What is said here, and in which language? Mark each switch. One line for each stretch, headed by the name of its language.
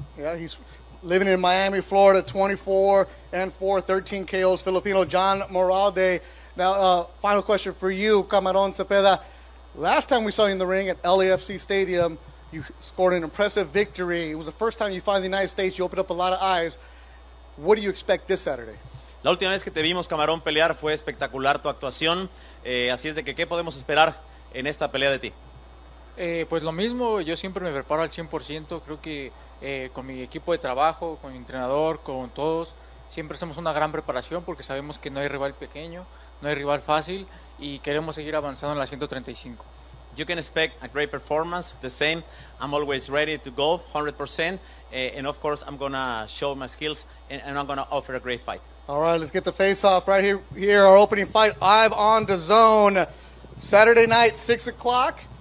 English: Yeah, he's living in Miami, Florida, 24-4, 13 KOs, Filipino. John Moralde. Now, final question for you, Camarón Cepeda. Last time we saw you in the ring at LAFC Stadium, you scored an impressive victory. It was the first time you fought in the United States. You opened up a lot of eyes. What do you expect this Saturday?
Spanish: La última vez que te vimos, Camarón, pelear fue espectacular tu actuación. Así es de que, ¿qué podemos esperar en esta pelea de ti? Pues lo mismo, yo siempre me preparo al 100%. Creo que con mi equipo de trabajo, con mi entrenador, con todos, siempre hacemos una gran preparación porque sabemos que no hay rival pequeño, no hay rival fácil y queremos seguir avanzando en la 135.
English: You can expect a great performance, the same. I'm always ready to go 100%. And of course, I'm going to show my skills and I'm going to offer a great fight. All right, let's get the face off right here. Our opening fight, I'm on DAZN. Saturday night, 6 o'clock.